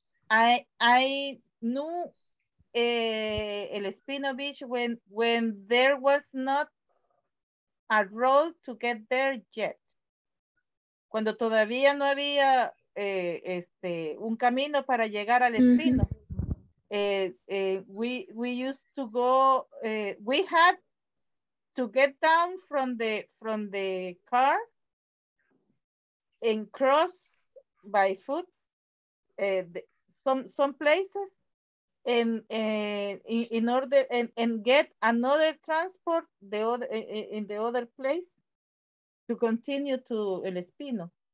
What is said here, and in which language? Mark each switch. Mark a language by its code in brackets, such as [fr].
[en] I knew El Espino Beach when there was not a road to get there yet. [es] Cuando todavía no había un camino para llegar al Espino. [en] We used to go. We had to get down from the car and cross by foot some places in order and get another transport in the other place to continue to El Espino.